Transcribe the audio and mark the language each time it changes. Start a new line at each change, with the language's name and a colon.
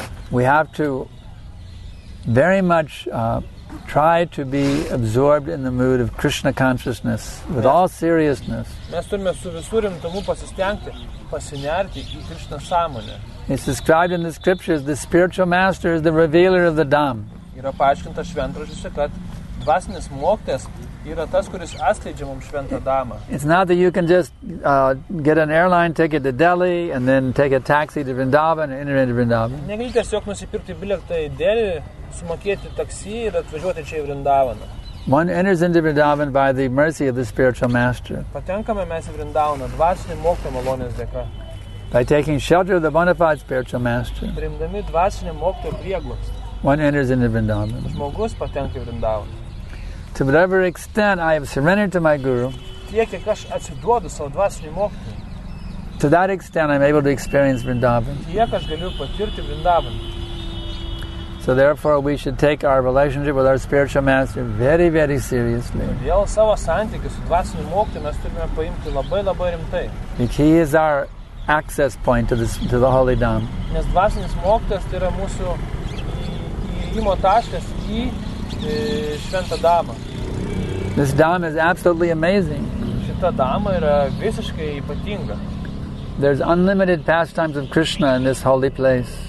English: We have to very much try to be absorbed in the mood of Krishna consciousness with all seriousness. It's described in the scriptures, the spiritual master is the revealer of the Dham.
Lithuanian: Yra paaiškinta šventraščiuose, kad dvasinis mokytas yra tas, kuris atskleidžia mums šventą damą.
English: It's not that you can just get an airline ticket to Delhi and then take a taxi to Vrindavan and enter into Vrindavan.
Lithuanian: Negali tiesiog nusipirkti bilietą į Delhi, sumokėti taksi ir atvažiuoti čia į Vrindavaną.
English: One enters into Vrindavan by the mercy of the spiritual master.
Lithuanian: Patenkame mes į Vrindavaną dvasinio mokytojo malonės dėka.
English: By taking shelter of the bona fide spiritual master.
Lithuanian: Priimdami dvasinio mokytojo prieglobstį.
English: One enters into Vrindavan.
Lithuanian: Žmogus patenka į Vrindavan.
English: To whatever extent I have surrendered to my guru.
Lithuanian: Tiek, kiek aš atsiduodu savo dvasiniam mokytojui.
English: To that extent I'm able to experience Vrindavan.
Lithuanian: Tiek aš galiu patirti Vrindavan.
English: So therefore we should take our relationship with our spiritual master very, very seriously.
Lithuanian: Todėl savo santykį su dvasiniu mokytoju mes turime paimti labai, labai rimtai.
English: He is our access point to the Holy Dham.
Lithuanian: Nes dvasinis mokytas yra mūsų įėjimo taškas į šventą damą.
English: This Dham is absolutely amazing.
Lithuanian: Šita dama yra visiškai ypatinga.
English: There's unlimited pastimes of Krishna in this holy place.